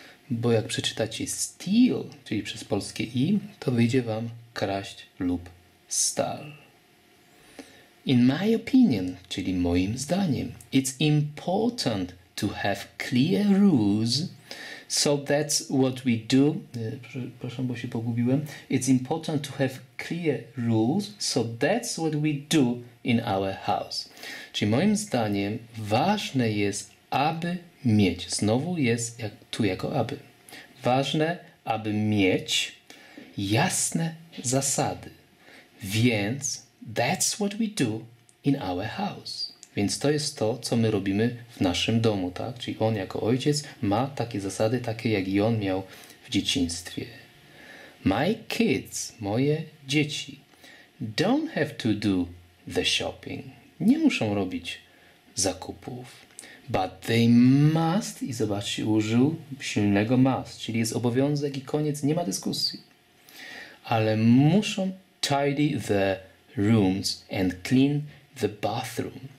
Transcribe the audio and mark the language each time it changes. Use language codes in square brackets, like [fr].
[pl] Bo jak przeczytacie steal, czyli przez polskie i, to wyjdzie wam kraść lub stal. [en] In my opinion, [pl] czyli moim zdaniem, [en] it's important to have clear rules. So that's what we do. [pl] Przepraszam, bo się pogubiłem. [en] It's important to have clear rules. So that's what we do in our house. [pl] Czyli moim zdaniem ważne jest, aby mieć. Znowu jest jak, tu jako aby. Ważne, aby mieć jasne zasady. Więc [en] that's what we do in our house. [pl] Więc to jest to, co my robimy w naszym domu, tak? Czyli on jako ojciec ma takie zasady, takie jak i on miał w dzieciństwie. [en] My kids, [pl] moje dzieci, [en] don't have to do the shopping. [pl] Nie muszą robić zakupów. [en] But they must, [pl] i zobaczcie, użył silnego must, czyli jest obowiązek i koniec, nie ma dyskusji. Ale muszą [en] tidy the rooms and clean the bathroom.